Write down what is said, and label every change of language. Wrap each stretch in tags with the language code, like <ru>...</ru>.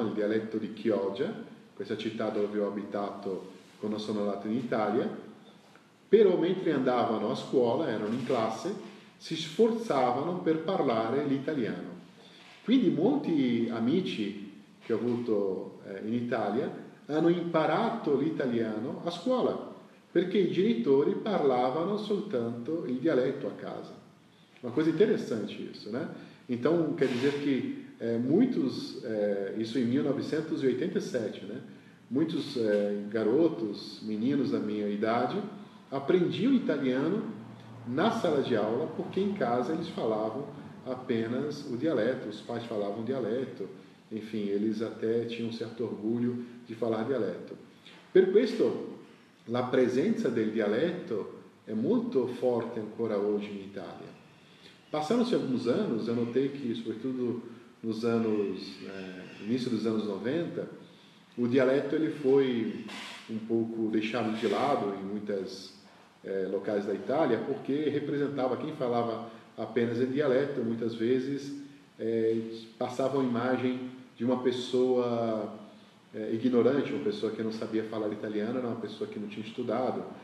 <it>Il dialetto di Chioggia, questa città dove ho abitato quando sono andato in Italia, però mentre andavano a scuola, erano in classe, si sforzavano per parlare l'italiano. Quindi molti amici che ho avuto in Italia hanno imparato l'italiano a scuola, perché i genitori parlavano soltanto il dialetto a casa.</it> <pt>Uma coisa interessante isso, né? Então, quer dizer que muitos, isso em 1987, né? Muitos garotos, meninos da minha idade, aprendiam italiano na sala de aula, porque em casa eles falavam apenas o dialeto, os pais falavam dialeto, enfim, eles até tinham um certo orgulho de falar dialeto.</pt> <it>Per questo, la presenza del dialetto è molto forte ancora oggi in Italia.</it> <pt>Passando-se alguns anos, eu notei que, sobretudo nos anos, início dos anos 90, o dialeto ele foi um pouco deixado de lado em muitas locais da Itália, porque representava quem falava apenas em dialeto, muitas vezes passava a imagem de uma pessoa ignorante, uma pessoa que não sabia falar italiano, era uma pessoa que não tinha estudado.</pt>